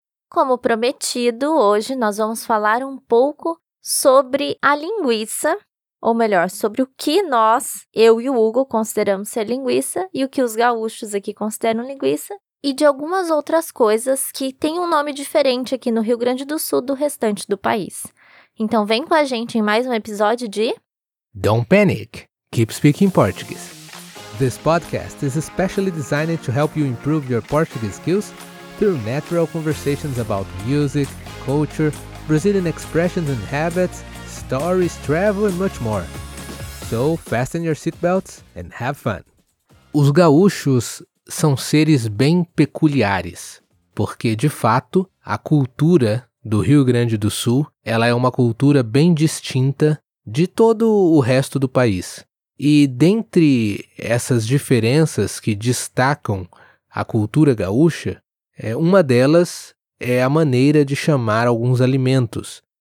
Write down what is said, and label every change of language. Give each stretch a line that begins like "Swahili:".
Portuguese: Como prometido, hoje nós vamos falar um pouco sobre a linguiça, ou melhor, sobre o que nós, eu e o Hugo, consideramos ser linguiça e o que os gaúchos aqui consideram linguiça, e de algumas outras coisas que têm um nome diferente aqui no Rio Grande do Sul do restante do país. Então vem com a gente em mais um episódio de...
English: Don't panic, keep speaking Portuguese. This podcast is especially designed to help you improve your Portuguese skills through natural conversations about music, culture, Brazilian expressions and habits, stories, travel and much more. So, fasten your seatbelts and have fun.
Portuguese: Os gaúchos são seres bem peculiares, porque, de fato, a cultura do Rio Grande do Sul, ela é uma cultura bem distinta de todo o resto do país. E dentre essas diferenças que destacam a cultura gaúcha, uma delas é a maneira de chamar alguns alimentos.